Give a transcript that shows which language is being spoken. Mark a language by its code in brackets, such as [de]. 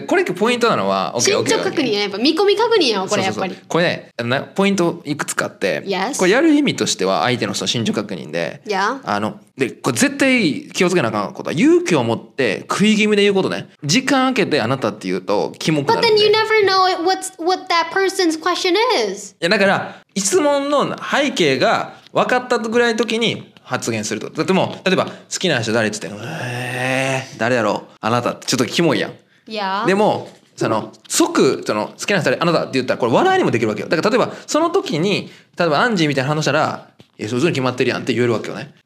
[ja] これポイントなのは身長確認やっぱ見込み確認やこれやっぱり。そうそうそう、これねポイントいくつかあって、 [en] yes. [ja] これやる意味としては相手の人身長確認で、 [en] yeah. [ja] あのでこれ絶対気をつけなあかんことは勇気を持って食い気味で言うことね。時間空けてあなたって言うとキモくなるんで。 [en] But then you never know what's, what that person's question is. [ja] いやだから質問の背景が分かったぐらいの時に発言すると。だってもう例えば好きな人誰って言って、誰やろうあなたってちょっとキモいやん。いや。でもその即その好きな人誰あなたって言ったらこれ笑いにもできるわけよ。だから例えばその時に例えばアンジーみたいな反応したら、いやそういうふうに決まってるやんって言えるわけよね。